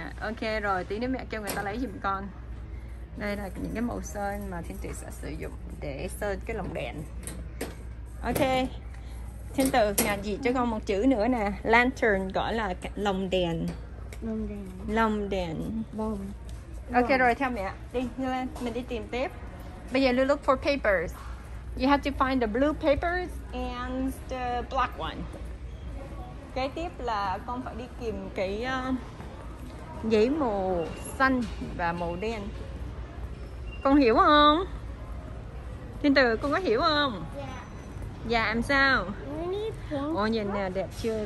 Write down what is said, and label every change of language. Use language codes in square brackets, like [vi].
[vi] Ok rồi, tí nữa mẹ kêu người ta lấy giùm con. Đây là những cái màu sơn mà Thiên Tử sẽ sử dụng để sơn cái lồng đèn. Ok. Thiên Tử nhà gì cho con một chữ nữa nè. Lantern gọi là lồng đèn. Lồng đèn. Lồng đèn. Bom. Ok rồi, theo mẹ. Đi, đi lên, mình đi tìm tiếp. Bây giờ [en] look for papers. You have to find the blue papers and the black one. [vi] Kế tiếp là con phải đi tìm cái giấy màu xanh và màu đen. Con hiểu không? Thiên Tử, con có hiểu không? Dạ. Dạ, em sao? Ôi, nhìn nè, đẹp chưa?